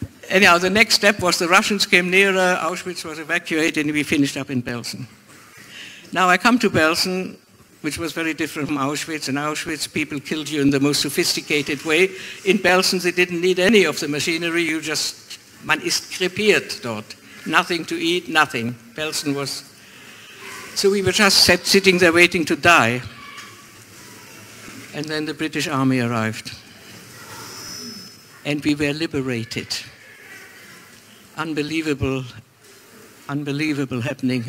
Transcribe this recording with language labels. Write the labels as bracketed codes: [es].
[en] Anyhow, the next step was the Russians came nearer, Auschwitz was evacuated, and we finished up in Belsen. Now, I come to Belsen, which was very different from Auschwitz. In Auschwitz, people killed you in the most sophisticated way. In Belsen, they didn't need any of the machinery. You just, [de] man ist krepiert dort. [en] Nothing to eat, nothing. Belsen was... So we were just sitting there waiting to die. And then the British Army arrived. And we were liberated. Unbelievable, unbelievable happening.